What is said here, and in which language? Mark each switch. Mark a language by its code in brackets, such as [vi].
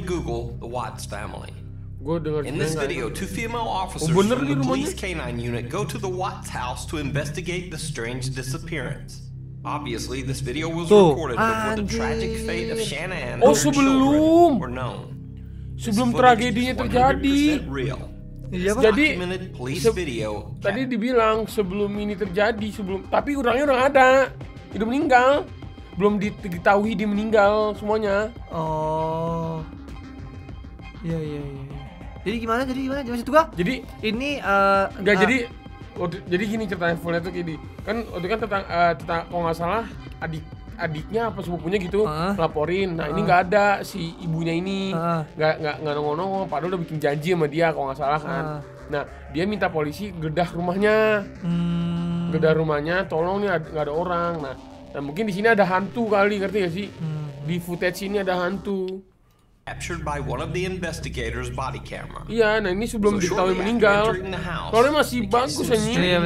[en] Google the Watts family. In this video, two female officers from the police canine unit go to the Watts house to investigate the strange disappearance. Obviously, this video was recorded before the tragic fate of Shannon and her children were known. [id] Sebelum tragedinya terjadi. Jadi tadi dibilang sebelum ini terjadi, tapi orangnya udah ada, itu meninggal, belum diketahui dia meninggal semuanya. Oh, iya. Jadi gimana itu gak? Jadi ini nggak jadi. Jadi gini ceritanya fullnya tuh gini, kan waktu kan tentang kalau nggak salah adiknya apa sepupunya gitu laporin. Nah, ini enggak ada si ibunya ini. Enggak nongol-nongol, padahal udah bikin janji sama dia kalau enggak salah kan. Nah, dia minta polisi geledah rumahnya. Geledah rumahnya, tolong nih enggak ada orang. Nah, mungkin di sini ada hantu kali, ngerti enggak sih? Di footage ini ada hantu. [en] Captured by one of the investigators' body camera. [id] Iya, nah ini sebelum diketahui meninggal. Soalnya masih bagus anjing.